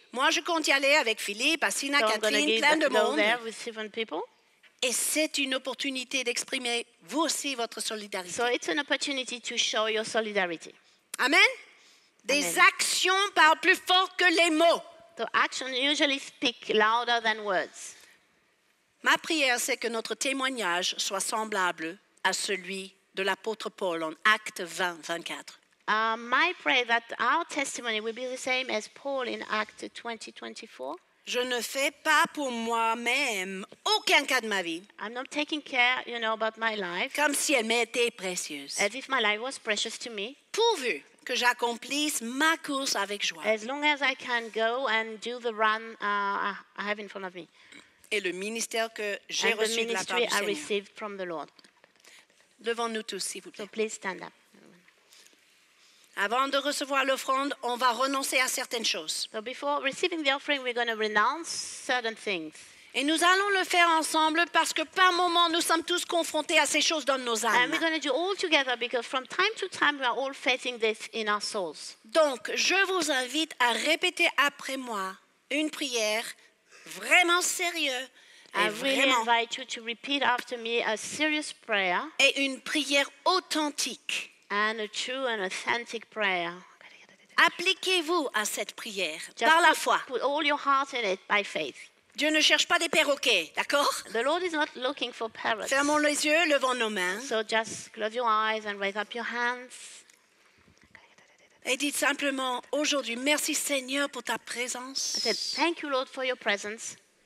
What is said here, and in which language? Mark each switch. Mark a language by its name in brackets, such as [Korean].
[French] Moi, je compte y aller avec Philippe, Assina, so Catherine, plein de monde. [English] There with seven people. [French] Et c'est une opportunité d'exprimer vous aussi votre solidarité. [English] So it's an opportunity to show your solidarity. [French] Amen. Des actions parlent plus fort que les mots. [English] So actions usually speak louder than words. [French] Ma prière, c'est que notre témoignage soit semblable à celui de l'apôtre Paul en Actes 20, 24. [English] My prayer that our testimony will be the same as Paul in Acts 20, 24. [French] Je ne fais pas pour moi-même aucun cas de ma vie. [English] I'm not taking care, you know, about my life. [French] Comme si elle m'était précieuse. [English] As if my life was precious to me. [French] Pourvu que j'accomplisse ma course avec joie. [English] As long as I can go and do the run I have in front of me. [French] Et le ministère que j'ai [English] and [French] reçu [English] the ministry [French] de la part du [English] I received from the Lord. [French] Levons-nous tous, s'il vous plaît. [English] So please stand up. [French] Avant de recevoir l'offrande, on va renoncer à certaines choses. [English] So before receiving the offering, we're going to renounce certain things. [French] Et nous allons le faire ensemble parce que par moment, nous sommes tous confrontés à ces choses dans nos âmes. [English] And we're going to do all together because from time to time, we are all facing this in our souls. [French] Donc, je vous invite à répéter après moi une prière vraiment sérieuse. [English] I invite you to repeat after me a serious prayer. [French] Et une prière authentique. [English] And a true and authentic prayer. [French] Appliquez-vous à cette prière [English] just [French] par la foi. [English] Put all your heart in it by faith. [French] Dieu ne cherche pas des perroquets, d'accord? [English] The Lord is not looking for parrots. [French] Fermons les yeux, levons nos mains. [English] So just close your eyes and raise up your hands. [French] Et dites simplement aujourd'hui, merci Seigneur pour ta présence. [English] I said, thank you Lord for your presence.